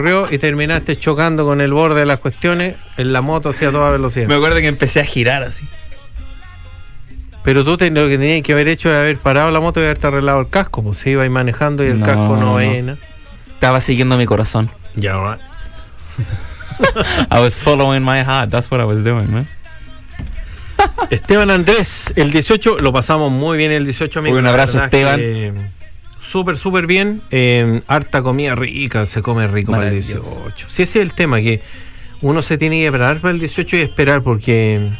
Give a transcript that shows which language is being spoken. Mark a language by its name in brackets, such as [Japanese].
[Spanish] Y terminaste chocando con el borde de las cuestiones en la moto así a toda velocidad. Me acuerdo que empecé a girar así. Pero tú lo que tenías que haber hecho era haber parado la moto y haberte arreglado el casco, pues iba ahí manejando y el casco no veía nada. Estaba siguiendo mi corazón. [English] Yeah, right. I was following my heart, that's what I was doing, man. [Spanish] Esteban Andrés, el 18, lo pasamos muy bien el 18, amigo. Un abrazo, Esteban. Súper, súper bien. Harta comida rica, se come rico para el 18. Sí, ese es el tema, que uno se tiene que preparar para el 18 y esperar porque...